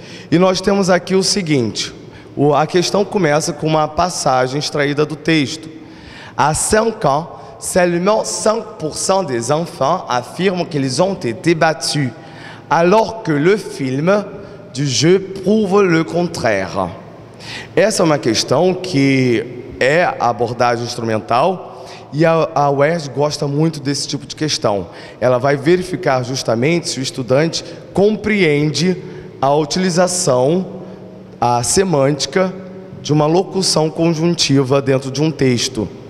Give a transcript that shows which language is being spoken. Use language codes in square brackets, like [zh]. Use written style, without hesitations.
[pt] E nós temos aqui o seguinte, a questão começa com uma passagem extraída do texto. Há 5 anos, [fr] seulement 5% des enfants affirment qu'ils ont été battus, alors que le film du jeu prouve le contraire. [pt] Essa é uma questão que é abordagem instrumental e a UERJ gosta muito desse tipo de questão. Ela vai verificar justamente se o estudante compreende a utilização, a semântica de uma locução conjuntiva dentro de um texto.